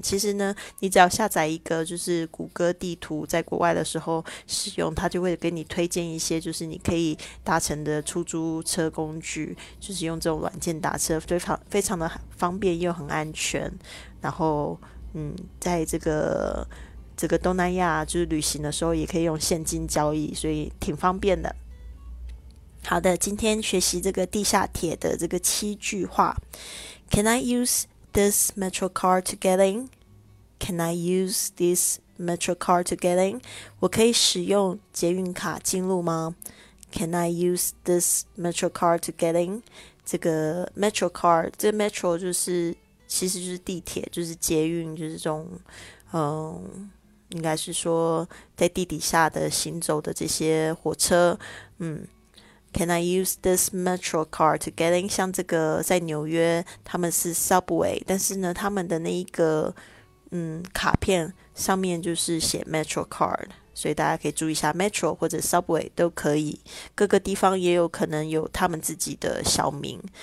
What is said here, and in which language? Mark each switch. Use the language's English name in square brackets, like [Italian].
[Chinese] 其实呢，你只要下载一个就是谷歌地图，在国外的时候使用，它就会给你推荐一些就是你可以搭乘的出租车工具，就是用这种软件打车，非常的方便又很安全。然后在这个东南亚就是旅行的时候也可以用现金交易，所以挺方便的。好的，今天学习这个地下铁的这个七句话。 [English] Can I use this metro car to get in? Can I use this metro car to get in? [Chinese] 我可以使用捷运卡进入吗？ [English] Can I use this metro car to get in? [Chinese] 这个 metro car， 这个 metro 就是其实就是地铁，就是捷运，就是这种应该是说在地底下的行走的这些火车。 [English] Can I use this metro car to get in? [Chinese] 像这个在纽约他们是 subway， 但是呢他们的那一个卡片上面就是写 metro card， 所以大家可以注意一下 metro 或者 subway 都可以，各个地方也有可能有他们自己的小名。